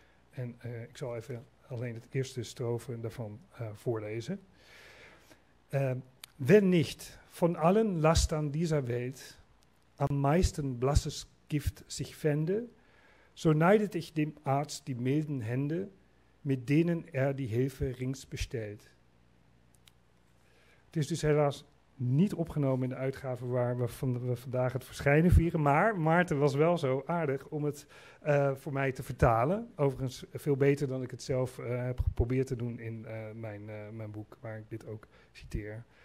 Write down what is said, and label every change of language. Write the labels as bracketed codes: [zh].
[nl] En ik zal even alleen het eerste strofe daarvan voorlezen. [de] Wenn nicht von allen Lastern dieser Welt am meisten blasses Gift sich fände, so neidet ich dem Arzt die milden Hände, mit denen die Hilfe rings bestellt. [nl] Het is dus helaas niet opgenomen in de uitgave waar we vandaag het verschijnen vieren. Maar Maarten was wel zo aardig om het voor mij te vertalen. Overigens veel beter dan ik het zelf heb geprobeerd te doen in mijn boek, waar ik dit ook citeer.